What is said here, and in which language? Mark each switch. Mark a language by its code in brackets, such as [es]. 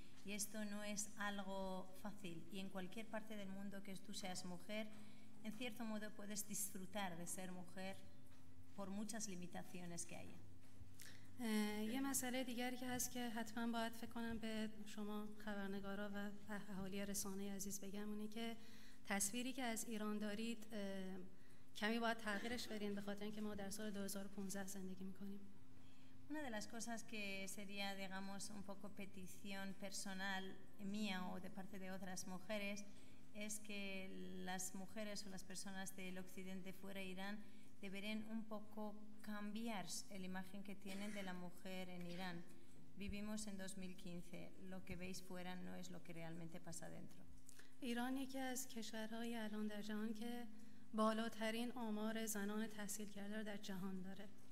[es] Y esto no es algo fácil. Y en cualquier parte del mundo que tú seas mujer, en cierto modo puedes disfrutar de ser mujer por muchas limitaciones que haya. [fa] یه مسئله دیگری که هست که حتما باید فکر کنم به شما خبرنگارا و اهالی رسانه عزیز بگم، اونی که تصویری که از ایران دارید کمی باید تغییرش بدین، به خاطر اینکه ما در سال 2015 زندگی می‌کنیم. [es] Una de las cosas que sería, digamos, un poco petición personal mía o de parte de otras mujeres es que las mujeres o las personas del occidente fuera Irán deberían un poco cambiar la imagen que tienen de la mujer en Irán. Vivimos en 2015. Lo que veis fuera no es lo que realmente pasa dentro. [fa] ایران یکی از کشورهای الان در جهان که بالاترین آمار زنان تحصیل کرده را در جهان داره.